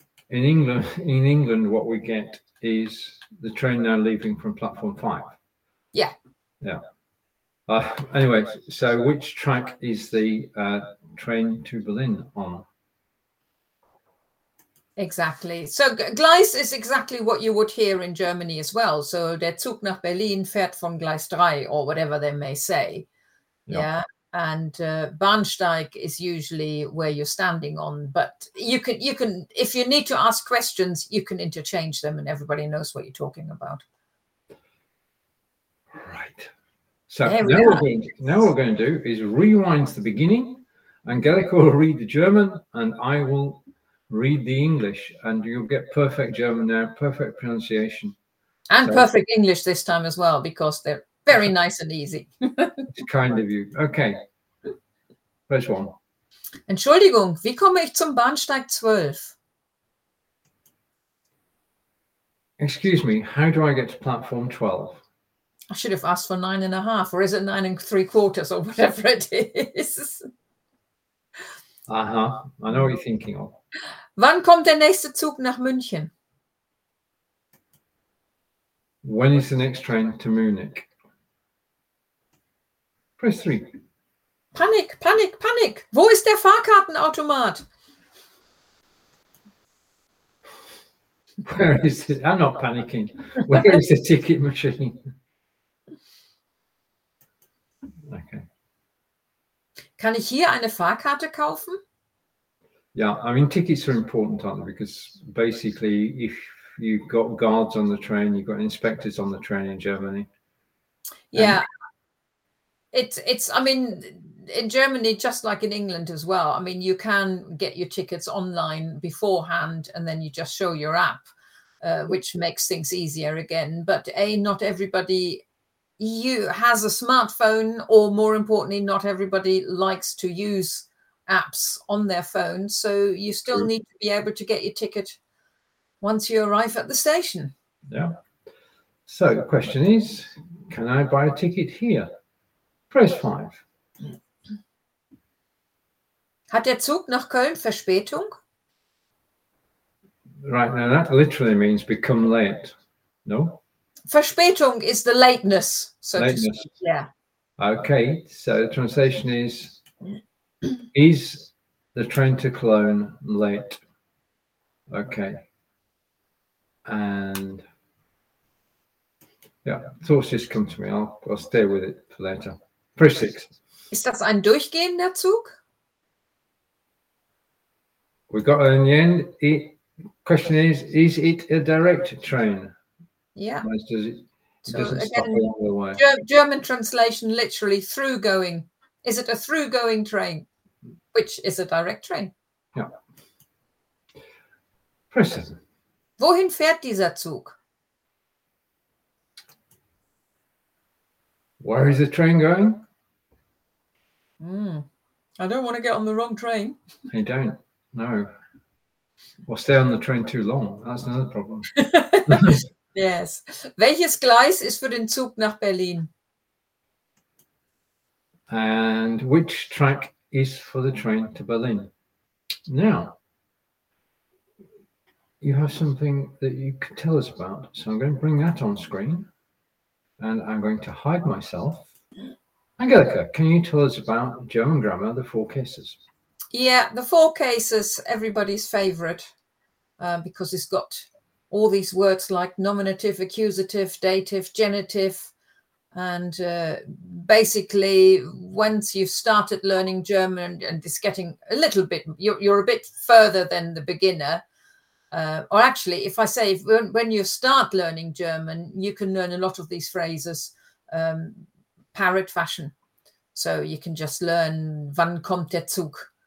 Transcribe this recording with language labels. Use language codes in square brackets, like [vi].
[en] In England, what we get is the train now leaving from platform 5. Yeah. Yeah. Anyway, so which track is the train to Berlin on? Exactly. So Gleis is exactly what you would hear in Germany as well. [de] So der Zug nach Berlin fährt von Gleis 3 [en] or whatever they may say. Yep. Yeah. And Bahnsteig is usually where you're standing on. But you can, if you need to ask questions, you can interchange them and everybody knows what you're talking about. Right. So now what we're going to do is rewind to the beginning and Gellick will read the German and I will read the English and you'll get perfect German there, perfect pronunciation. And so, perfect English this time as well, because they're very nice and easy. It's kind of you. Okay. First one. [de] Entschuldigung, wie komme ich zum Bahnsteig 12? [en] Excuse me, how do I get to platform 12? I should have asked for 9 1/2, or is it 9 3/4, or whatever it is. Uh-huh, I know what you're thinking of. [de] Wann kommt der nächste Zug nach München? [en] When is the next train to Munich? Press 3. [de] Panik, Panik, Panik! Wo ist der Fahrkartenautomat? [en] Where is it? I'm not panicking. Where is the ticket machine? Okay. [de] Kann ich hier eine Fahrkarte kaufen? [en] Yeah, I mean, tickets are important, aren't they? Because basically, if you've got guards on the train, you've got inspectors on the train in Germany. Yeah. It's. I mean, in Germany, just like in England as well, I mean, you can get your tickets online beforehand and then you just show your app. Which makes things easier again. But A, not everybody has a smartphone, or more importantly, not everybody likes to use apps on their phone. So you still need to be able to get your ticket once you arrive at the station. Yeah. So the question is, can I buy a ticket here? Press 5. [de] Hat der Zug nach Köln Verspätung? [en] Right, now that literally means become late, no? Verspätung is the lateness, so lateness. To speak, yeah. Okay, so the translation is the train to Cologne late? Okay. And, yeah, thoughts just come to me. I'll stay with it for later. Press 6. [de] Ist das ein durchgehender Zug? [en] We got it in the end. Question is it a direct train? Yeah. Or doesn't stop along the way. German translation literally through going. Is it a through going train? Which is a direct train. Yeah. Press 7. [de] Wohin fährt dieser Zug? [en] Where is the train going? I don't want to get on the wrong train. You don't? No. Or stay on the train too long. That's another problem. Yes. [de] Welches Gleis ist für den Zug nach Berlin? [en] And which track is for the train to Berlin? Now, you have something that you could tell us about. So I'm going to bring that on screen. And I'm going to hide myself. Angelika, can you tell us about German grammar, the four cases? Yeah, the four cases, everybody's favorite, because it's got all these words like nominative, accusative, dative, genitive. And basically, once you've started learning German and it's getting a little bit, you're a bit further than the beginner. Or actually, if I say when you start learning German, you can learn a lot of these phrases parrot fashion. So you can just learn, [de] wann kommt der Zug?